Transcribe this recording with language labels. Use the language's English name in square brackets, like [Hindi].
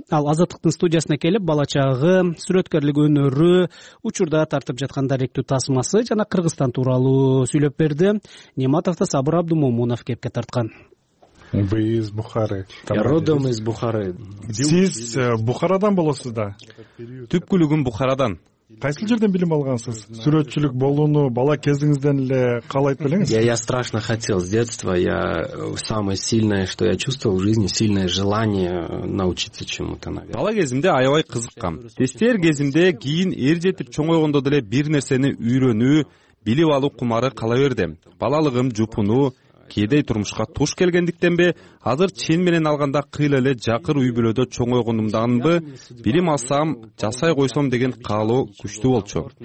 [Kyrgyz] Ал азаттыктын студиясына келип, бала чагы, сүрөткөрлүк өнөрү, учурда тартып жаткан даректүү тасмасы жана Кыргызстан тууралуу сүйлөп берди. Нематовду Сабыр Абдумомунов кепке тарткан. [Russian] Вы из Бухары. Я родом из Бухары. [Kyrgyz] Сиз Бухарадан болосуз да? Түпкүлүгүм Бухарадан. Кайсыл жерден билим алгансыз? Сүрөтчүлүк болууну бала кезиңизден эле каалайт белеңиз? [Russian] Я страшно хотел с детства. Я самое сильное, что я чувствовал в жизни, сильное желание научиться чему-то, наверное. [Kyrgyz] Бала кезимде аябай кызыккам. Тестер кезимде кийин эр жетип чоңойгондо деле бир нерсени үйрөнүү, билип алуу кумары кала бердим. Балалыгым жупуну кедей турмушка туш келгендиктен бе, азыр чен менен алганда кыйла эле жакыр үй бүлөдө чоңойгонумданбы, билим алсам, жасай койсом деген каалоо күчтүү болчу.